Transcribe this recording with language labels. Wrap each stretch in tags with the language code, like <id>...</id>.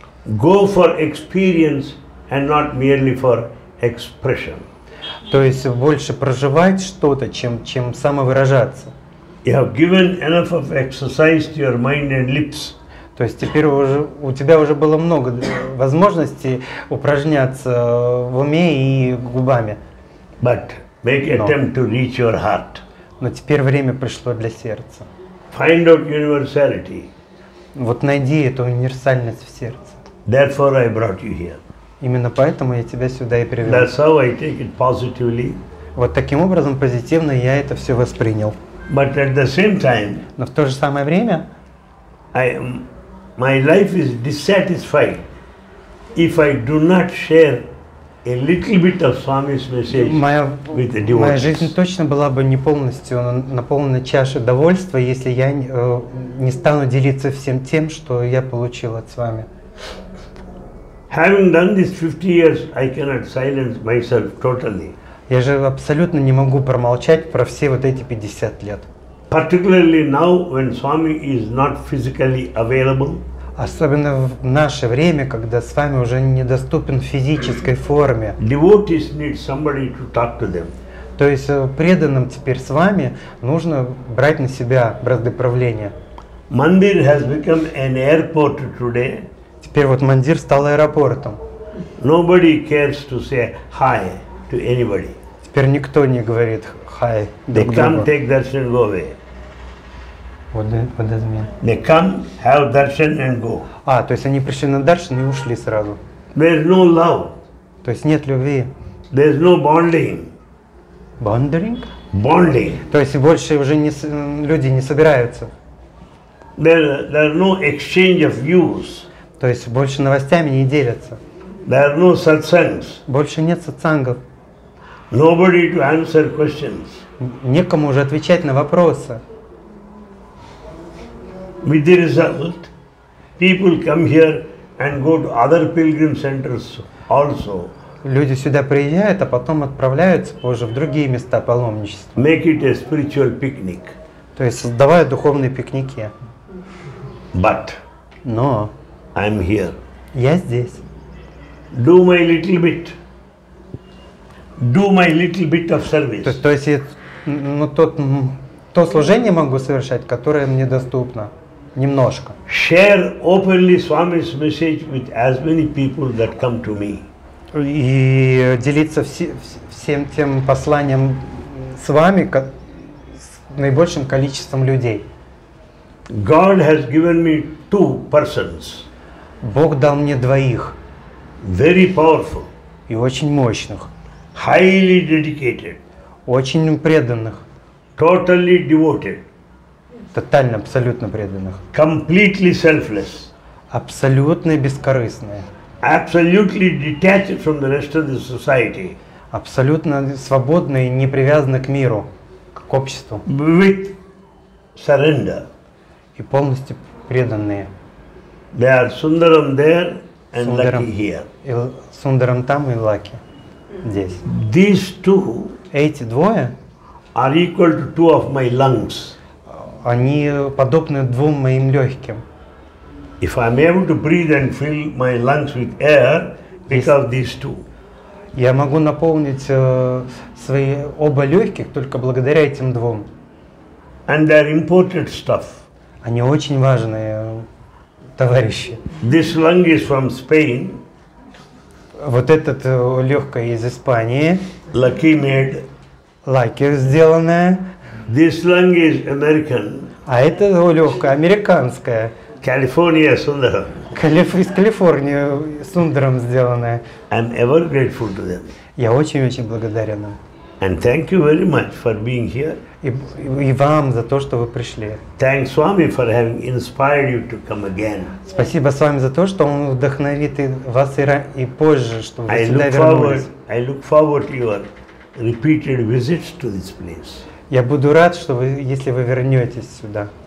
<en>Go for experience and not merely for expression.</en> <ru>То есть больше проживать что-то, чем самовыражаться.</ru> <en>You have given enough of exercise to your mind and lips.</en> <ru>То есть теперь уже у тебя уже было много возможностей упражняться в уме и губами.</ru> <en>But make attempt to reach your heart.</en> <ru>Но теперь время пришло для сердца.</ru> <en>Find out universality.</en> <ru>Вот найди эту универсальность в сердце.</ru> <en>Therefore I brought you here.</en> <ru>Именно поэтому я тебя сюда и привел.</ru> <en>That's how I take it positively.</en> <ru>Вот таким образом позитивно я это все воспринял.</ru> <en>But at the same time,</en> <ru>но в то же самое время,</ru> <en>my life is dissatisfied if I do not share a little bit of Swami's message with the devotees.</en> <ru>Моя жизнь точно была бы не полностью наполнена чашей довольства, если я не стану делиться всем тем, что я получил от Свами.</ru> <en>Having done this 50 years, I cannot silence myself totally.</en> <ru>Я же абсолютно не могу промолчать про все вот эти 50 лет.</ru> <en>Particularly now, when Swami is not physically available.</en> <ru>Особенно в наше время, когда Свами уже недоступен в физической форме.</ru> <en>Devotees need somebody to talk to them.</en> <ru>То есть преданным теперь Свами нужно брать на себя бразды правления.</ru> <en>Mandir has become an airport today.</en> <ru>Теперь вот Мандир стал аэропортом.</ru> <en>Nobody cares to say hi to anybody.</en> <ru>Теперь никто не говорит hi.</ru> <en>They come take darshan and go away. What does it mean? They come have darshan and go.</en> <ru>А, то есть они пришли на даршан и ушли сразу.</ru> <en>There's no love.</en> <ru>То есть нет любви.</ru> <en>There is no bonding. Bonding? Bonding.</en> <ru>То есть больше уже не, люди не собираются.</ru> <en>There are no exchange of views.</en> <ru>То есть больше новостями не делятся.</ru> <en>There are no satsangs.</en> <ru>Больше нет сатсангов.</ru> <en>Nobody to answer questions.</en> <ru>Некому уже отвечать на вопросы.</ru> <en>With the result, people come here and go to other pilgrim centers also.</en> <ru>Люди сюда приезжают, а потом отправляются позже в другие места паломничества.</ru> <en>Make it a spiritual picnic.</en> <ru>То есть создавая духовные пикники.</ru> <en>But.</en> <ru>Но.</ru> <en>I'm here.</en> <ru>Я здесь.</ru> <en>Do my little bit. Do my little bit of service.</en> <ru>То есть, то служение могу совершать, которое мне доступно. Немножко.</ru> <en>Share openly Swami's message with as many people that come to me.</en> <ru>И делиться всем тем посланием с вами, с наибольшим количеством людей.</ru> <en>God has given me two persons.</en> <ru>Бог дал мне двоих.</ru> <en>Very powerful.</en> <ru>И очень мощных.</ru> <en>Highly dedicated.</en> <ru>Очень преданных.</ru> <en>Totally devoted.</en> <ru>Тотально, абсолютно преданных.</ru> <en>Completely selfless.</en> <ru>Абсолютно бескорыстные.</ru> <en>Absolutely detached from the rest of the society.</en> <ru>Абсолютно свободные, не привязаны к миру, к обществу.</ru> <en>With surrender.</en> <ru>И полностью преданные.</ru> <en>They are Sundaram there and Sundaram, Lucky here.</en> <ru>И Sundaram там и Lucky здесь.</ru> <en>These two.</en> <ru>Эти двое.</ru> <en>Are equal to two of my lungs.</en> <ru>Они подобны двум моим легким.</ru> <en>If I am able to breathe and fill my lungs with air, because of these two.</en> <ru>Я могу наполнить свои оба легких только благодаря этим двум.</ru> <en>And they are important stuff.</en> <ru>Они очень важные товарищи.</ru> <en>This lung is from Spain.</en> <ru>Вот этот легкое из Испании.</ru> <en>Lucky made.</en> <ru>Lucky сделанное.</ru> <en>This lung is American.</en> <ru>А это легкое американское.</ru> <en>California Sundaram.</en> <ru>Из Калифорнии Сундарам сделанное.</ru> <en>I'm ever grateful to them.</en> <ru>Я очень-очень благодарен им.</ru> <en>And thank you very much for being here.</en> <ru>И вам за то, что вы пришли.</ru> <en>Thanks Swami for having inspired you to come again.</en> <ru>Спасибо Свами за то, что он вдохновит вас и позже, что вы сюда вернулись.</ru> <en>I look forward to your repeated visits to this place.</en> <ru>Я буду рад, что вы, если вы вернетесь сюда.</ru>